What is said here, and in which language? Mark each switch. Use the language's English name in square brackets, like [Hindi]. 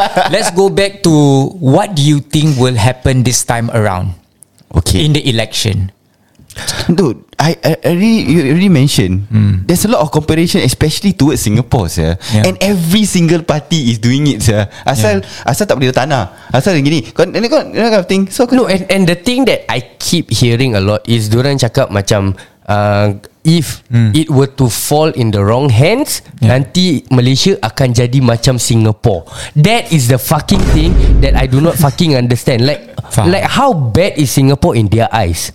[English] Let's go back to what do you think will happen this time around? Okay. In the election. Dude, I already mentioned there's a lot of comparison, especially towards Singapore, sir. Yeah. And every single party is doing it, sir. [Malay] Asal tak boleh tanah, asal gini. Kau [English] kind of thing. So no, and the thing that I keep hearing a lot is [Malay] diorang cakap macam [English] if it were to fall in the wrong hands, [Malay] nanti Malaysia akan jadi macam Singapore. [English] That is the fucking thing that I do not fucking understand. Like how bad is Singapore in their eyes?